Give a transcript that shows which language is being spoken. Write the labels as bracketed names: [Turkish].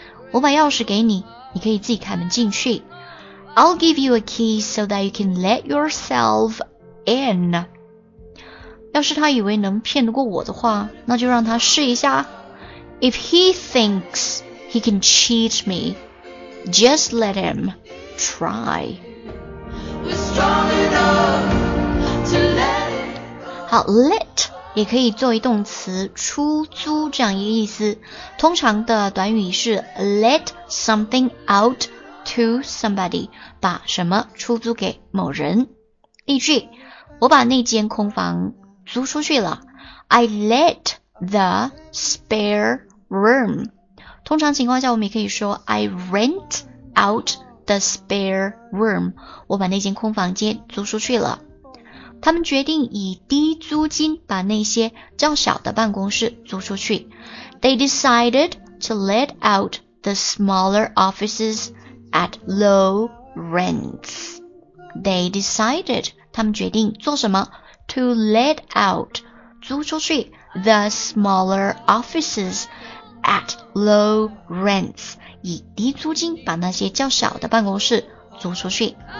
[Chinese] 我把钥匙给你，你可以自己开门进去。 [English] I'll give you a key so that you can let yourself in. [Chinese] 要是他以为能骗得过我的话，那就让他试一下。 [English] If he thinks he can cheat me, just let him try. We're strong enough to let. [Chinese] 好 ,let 也可以作为动词出租这样一个意思。通常的短语是 [English] let something out to somebody, [Chinese] 把什么出租给某人。例句，我把那间空房租出去了。 [English] I let the spare room. [Chinese] 通常情况下我们也可以说 [English] I rent out the spare room. [Chinese] 我把那间空房间租出去了。他们决定以低租金把那些较小的办公室租出去。 [English] They decided to let out the smaller offices at low rents. They decided, [Chinese] 他们决定做什么? [English] To let out, [Chinese] 租出去, [English] the smaller offices at low rents. [Chinese] 以低租金把那些较小的办公室租出去。